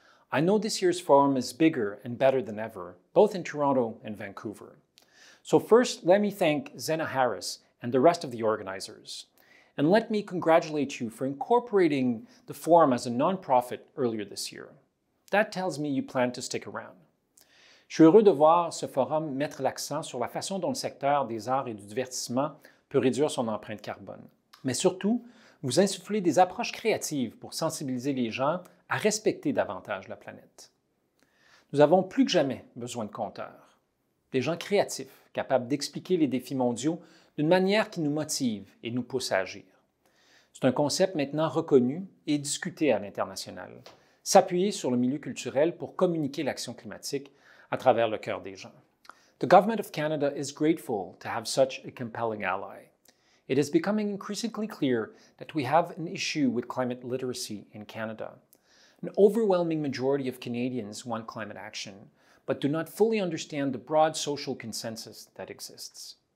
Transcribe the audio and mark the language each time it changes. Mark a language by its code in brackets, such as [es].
[en] I know this year's forum is bigger and better than ever, both in Toronto and Vancouver. So first, let me thank Zena Harris and the rest of the organizers. And let me congratulate you for incorporating the forum as a nonprofit earlier this year. That tells me you plan to stick around. [fr] Je suis heureux de voir ce forum mettre l'accent sur la façon dont le secteur des arts et du divertissement peut réduire son empreinte carbone. Mais surtout, vous insufflez des approches créatives pour sensibiliser les gens à respecter davantage la planète. Nous avons plus que jamais besoin de conteurs, des gens créatifs, capables d'expliquer les défis mondiaux d'une manière qui nous motive et nous pousse à agir. C'est un concept maintenant reconnu et discuté à l'international. S'appuyer sur le milieu culturel pour communiquer l'action climatique à travers le cœur des gens. [en] The government of Canada is grateful to have such a compelling ally. It is becoming increasingly clear that we have an issue with climate literacy in Canada. An overwhelming majority of Canadians want climate action, but do not fully understand the broad social consensus that exists.